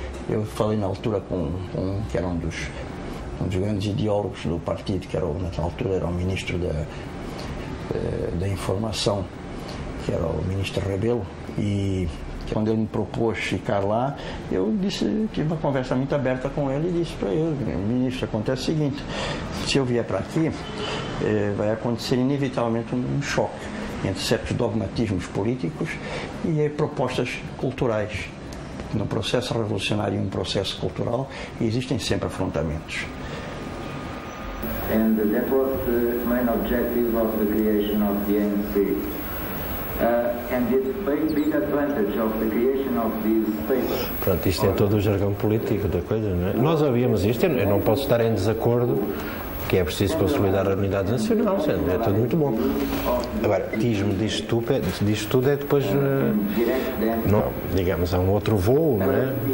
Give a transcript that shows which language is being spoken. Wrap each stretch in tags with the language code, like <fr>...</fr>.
<pt>Eu falei na altura com que era um dos grandes ideólogos do partido, que era, na altura era o ministro da Informação, que era o ministro Rebelo, e quando ele me propôs ficar lá, eu disse, tive uma conversa muito aberta com ele e disse para ele: ministro, acontece o seguinte, se eu vier para aqui, vai acontecer inevitavelmente um choque entre certos dogmatismos políticos e propostas culturais. Num processo revolucionário e um processo cultural, existem sempre afrontamentos.</pt> <en>And that was the main objective of the creation of the ANC. And the big advantage of the creation of this paper.</en> <pt>Pronto, isto é todo o jargão político da coisa, não é? Nós ouvíamos isto, eu não posso estar em desacordo que é preciso consolidar a unidade nacional, é tudo muito bom. Agora, tismo diz tudo é depois, não, digamos, há um outro voo, não é?</pt>